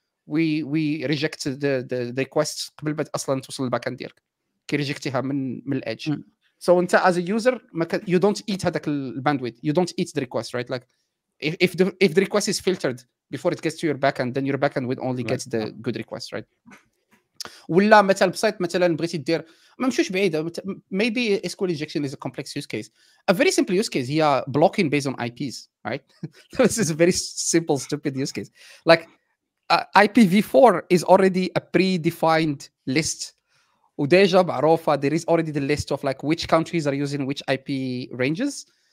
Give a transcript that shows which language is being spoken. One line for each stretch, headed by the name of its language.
English: We reject the requests
Arabic: قبل ما اصلا توصل الباكند ديالك, كي ريجكتيها من الايدج.
English: So انت as a user you don't eat
Arabic: هذاك الباندويث,
English: you don't eat the request, right? Like if the request is filtered before it gets to your backend, then your backend would only get the good request, right?
Arabic: ولا مثلا بسيط, مثلا بغيتي دير ما مشوش بعيده,
English: maybe SQL injection is a complex use case. A very simple use case here, blocking based on IPs, right? This is a very simple stupid use case. Like IPv4 is already a predefined list. Udeja Barofa, there is already the list of like which countries are using which IP ranges.